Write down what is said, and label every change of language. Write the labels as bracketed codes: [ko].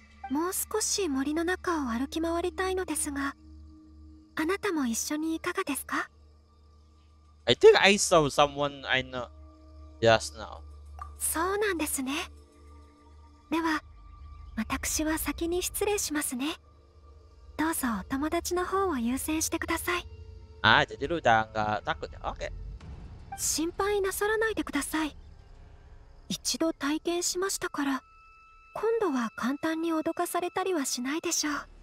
[ja] もう少し森の中を歩き回りたいのですが、あなたも一緒にいかがですか。 [en] I think I saw someone I know just now. [ja] そうなんですね。では私は先に失礼しますね。どうぞお友達の方を優先してください。あ、じゃあルーちゃんがタックで、オッケー。心配なさらないでください。一度体験しましたから今度は簡単に脅かされたりはしないでしょう。